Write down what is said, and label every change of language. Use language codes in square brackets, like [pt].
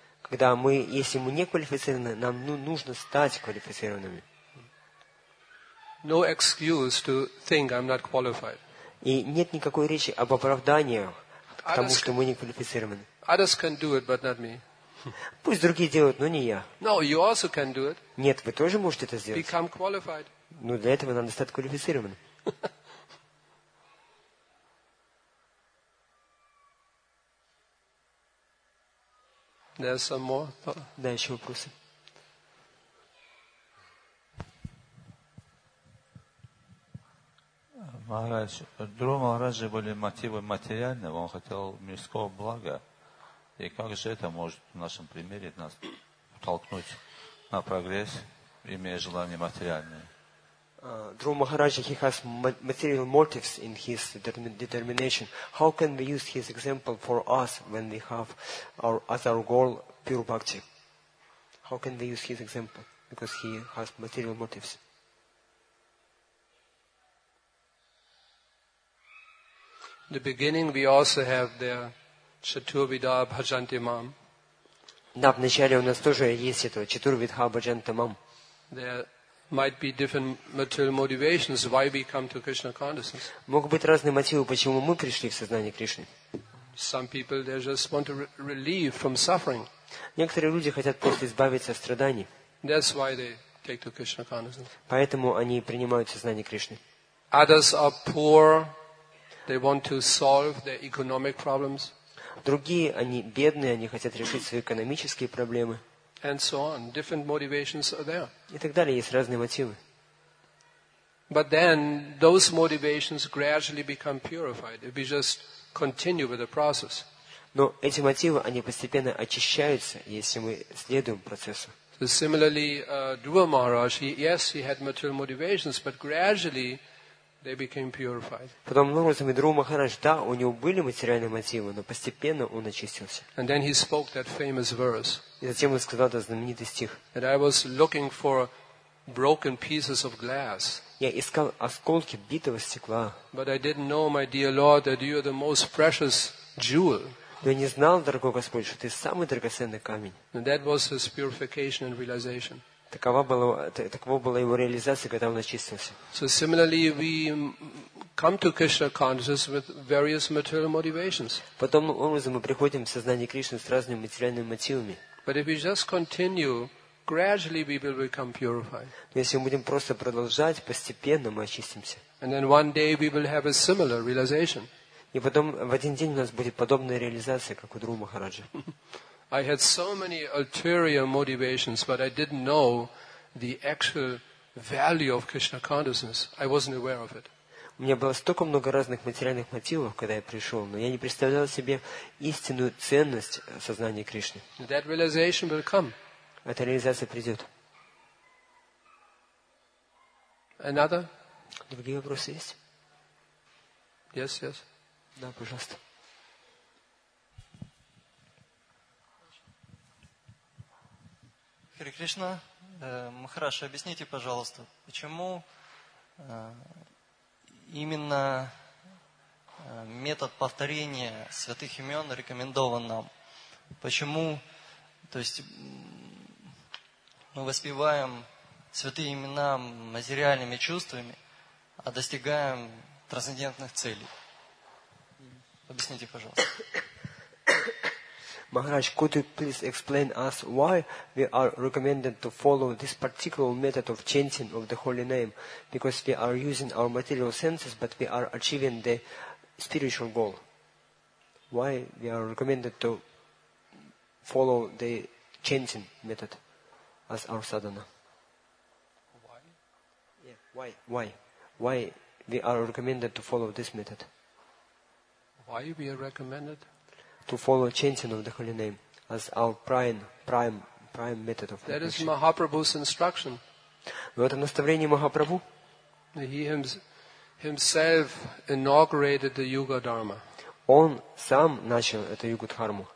[ru] Когда мы, если мы не квалифицированы, нам нужно стать квалифицированными. [en] No excuse to think I'm not qualified. [ru] И нет никакой речи об оправдании к тому, что мы не квалифицированы. [en] Others can do it, but not me. [ru] Пусть другие делают, но не я. [en] No, you also can do it. [ru] Нет, вы тоже можете это сделать. [en] Become qualified. [ru] Но для этого надо стать квалифицированным. [en] There's some more. [ru] Да, еще вопросы. Махарадж, Друва Махараджа были мотивы материальные, он хотел мирского блага. И как же это может в нашем примере нас толкнуть на прогресс, имея желание материальное? [en] Друва Махараджа, he has material motives in his determination. How can we use his example for us when we have our, as our goal pure bhakti? How can we use his example? Because he has material motives. In the beginning we also have the [sa] Chaturvidha Bhajante Mam. [ru] Да, вначале у нас тоже есть это [sa] Chaturvidha Bhajante Mam. [en] There might be different material motivations why we come to Krishna consciousness. [ru] Могут быть разные мотивы, почему мы пришли в сознание Кришны. [en] Some people they just want to relieve from suffering. [ru] Некоторые люди хотят просто избавиться от страданий. [en] That's why they take to Krishna consciousness. [ru] Поэтому они принимают сознание Кришны. [en] Others are poor. They want to solve their economic problems. [ru] Другие, они бедные, они хотят решить свои экономические проблемы. [en] And so on. Different motivations are there. [ru] И так далее, есть разные мотивы. [en] But then those motivations gradually become purified if we just continue with the process. [ru] Но эти мотивы, они постепенно очищаются, если мы следуем процессу. [en] Similarly, Dhruva Maharaj, he had material motivations, but gradually they became purified. [ru] Подобным образом, Дхрува Махарадж, да, у него были материальные мотивы, но постепенно он очистился. [en] And then he spoke that famous verse. [ru] И затем он сказал этот знаменитый стих. [en] And I was looking for broken pieces of glass. [ru] Я искал осколки битого стекла. [en] But I didn't know, my dear Lord, that you are the most precious jewel. [ru] Но я не знал, дорогой Господь, что ты самый драгоценный камень. [en] And that was his purification and realization. [ru] Таково была его реализация, когда он очистился. [en] So similarly, we come to Krishna consciousness with various material motivations. [ru] Потом образом мы приходим в сознание Кришны с разными материальными мотивами. [en] But if we just continue, gradually we will become purified. [ru] Но если мы будем просто продолжать, постепенно мы очистимся. [en] And then one day we will have a similar realization. [ru] И потом в один день у нас будет подобная реализация, как у Дхрувы Махараджа. [en] I had so many ulterior motivations, but I didn't know the actual value of Krishna consciousness. I wasn't aware of it. [ru] У меня было столько много разных материальных мотивов, когда я пришел, но я не представлял себе истинную ценность сознания Кришны. [en] That realization will come. [ru] Эта реализация придет. [en] Another? [ru] Другие вопросы есть? [en] Yes, yes. [ru] Да, пожалуйста. Хари Кришна, Махараш, объясните, пожалуйста, почему именно метод повторения святых имен рекомендован нам? Почему, то есть, мы воспеваем святые имена материальными чувствами, а достигаем трансцендентных целей? Объясните, пожалуйста. [en] Maharaj, could you please explain us why we are recommended to follow this particular method of chanting of the holy name? Because we are using our material senses, but we are achieving the spiritual goal. Why we are recommended to follow the chanting method as our sadhana? Why? Yeah. Why? Why? Why we are recommended to follow this method? Why we are recommended? To follow chanting of the holy name as our prime method of That is Mahaprabhu's instruction. [ru] Это наставление Махапрабху. [en] He himself inaugurated the Yuga Dharma. [ru] Он сам начал эту Юга Дхарму.